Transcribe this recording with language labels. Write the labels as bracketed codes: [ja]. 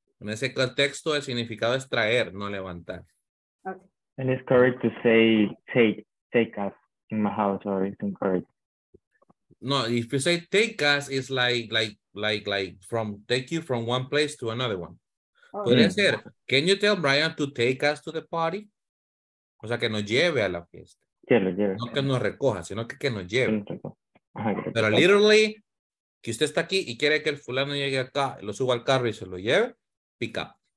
[es] En ese contexto, el significado es traer, no levantar. [en] Okay. And it's correct to say take us in my house, or it's incorrect. No, if you say take us, it's like from take you from one place to another one. [es] Puede ser, [en] can you tell Brian to take us to the party? [es] O sea, que nos lleve a la fiesta. Lleve. No que nos recoja, sino que nos lleve. Pero literally, que usted está aquí y quiere que el fulano llegue acá, lo suba al carro y se lo lleve, [en] pick up.